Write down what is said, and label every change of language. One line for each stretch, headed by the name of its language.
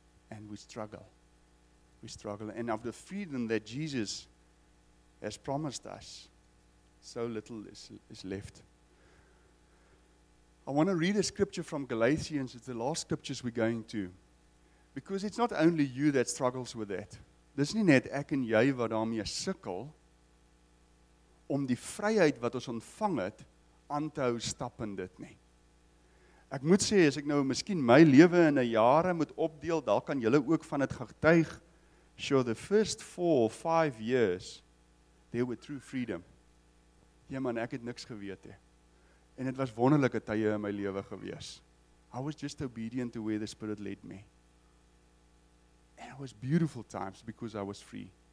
English: And we struggle. We struggle. And of the freedom that Jesus has promised us, so little is left. I want to read a scripture from Galatians. It's the last scriptures we're going to. Because it's not only you that struggles with that.
Afrikaans: Dis nie net ek en jy wat daarmee sukkel om die vryheid wat ons ontvang het aan te hou stap in dit nie. Ek moet sê, as ek nou miskien my lewe in 'n jare moet opdeel, daar kan julle ook van dit getuig.
English: Sure, the first 4 or 5 years, there were true freedom.
Afrikaans: Ja man, ek het niks geweet nie. En dit was wonderlike tye in my lewe gewees.
English: I was just obedient to where the Spirit led me. And it was beautiful times because I was free.